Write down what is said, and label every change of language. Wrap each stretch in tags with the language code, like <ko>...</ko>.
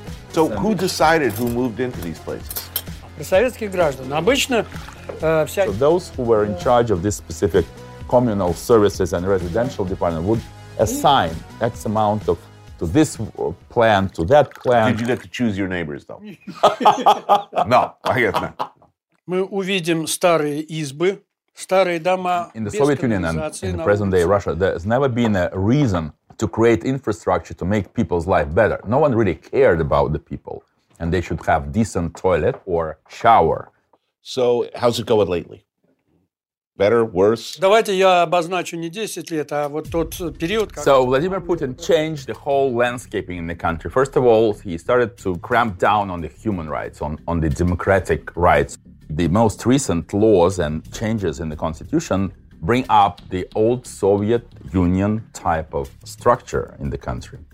<en>So who decided who moved into these places? So those who were in charge of this specific communal services and residential department would assign X amount of to this plan, to that plan. Did you get to choose your neighbors, though? No, I guess not.</en> <ru>Мы увидим старые избы, старые дома.</ru> <en>In the Soviet Union and in present-day Russia, there has never been a reason to create infrastructure to make people's life better. No one really cared about the people, and they should have decent toilet or shower. So how's it going lately? Better, worse?</en> <ru>Давайте я обозначу не 10 лет, а вот тот период.</ru> <en>So Vladimir Putin changed the whole landscaping in the country. First of all, he started to cramp down on the human rights, on the democratic rights. The most recent laws and changes in the constitution bring up the old Soviet Union type of structure in the country.</en>